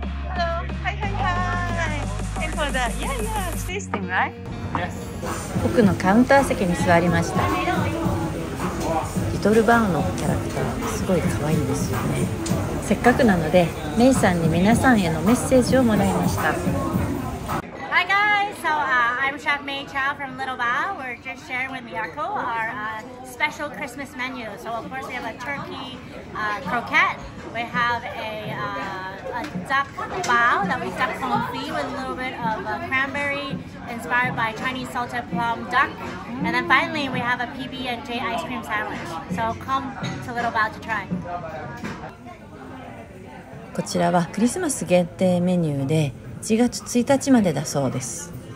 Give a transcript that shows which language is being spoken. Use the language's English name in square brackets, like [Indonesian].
[English] ハロー、はいはいはい。And for the, yeah, yeah, tasting, right? [Japanese] 奥のカウンター席に座りました。リトルバオのキャラクターすごい可愛いですよね。せっかくなのでメイさんに皆さんへのメッセージをもらいました。 [English] Hi guys, so、I'm Chef May Chow from Little Bao. We're just sharing with Miyako our、special Christmas menu. So of course we have a turkey、croquette. We have a duck bao that we duck confit with a little bit of、cranberryinspired by Chinese salted plum duck. And then finally, we have a PB&J ice cream sandwich. So come to Little Bao to try. [Japanese] こちらはクリスマス限定メニューで1月1日までだそうです。